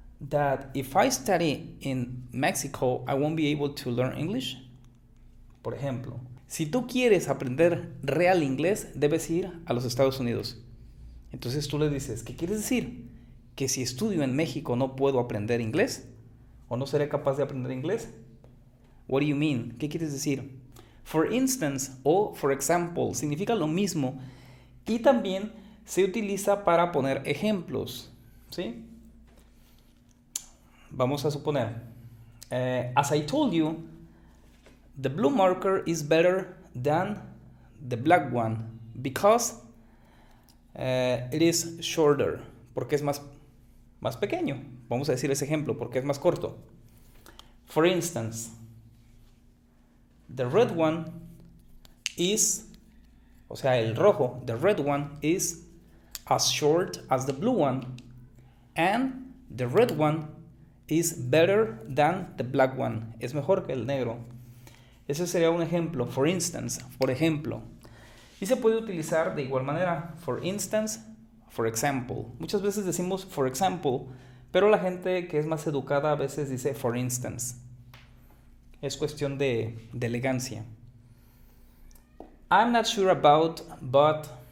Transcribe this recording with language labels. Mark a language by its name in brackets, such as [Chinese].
[English] That if I study in Mexico, I won't be able to learn English. [Spanish] Por ejemplo, si tú quieres aprender real inglés, debes ir a los Estados Unidos. Entonces tú le dices, ¿qué quieres decir? ¿Que si estudio en México no puedo aprender inglés? ¿O no seré capaz de aprender inglés? [English] What do you mean? [Spanish] ¿Qué quieres decir? [English] For instance [Spanish] o [English] for example [Spanish] significa lo mismo y también se utiliza para poner ejemplos, ¿sí? Vamos a suponer, [English] as I told you, the blue marker is better than the black one because it is shorter, [Spanish] porque es más pequeño. Vamos a decir ese ejemplo, porque es más corto. [English] For instance, the red one is, [Spanish] o sea, el rojo, [English] the red one is as short as the blue one, and the red one is better than the black one. [Spanish] Es mejor que el negro. Ese sería un ejemplo. [English] For instance, [Spanish] por ejemplo. Y se puede utilizar de igual manera. [English] For instance, for example. [Spanish] Muchas veces decimos [English] for example, [Spanish] pero la gente que es más educada a veces dice [English] for instance. [Spanish] Es cuestión de elegancia. [English] I'm not sure about, but.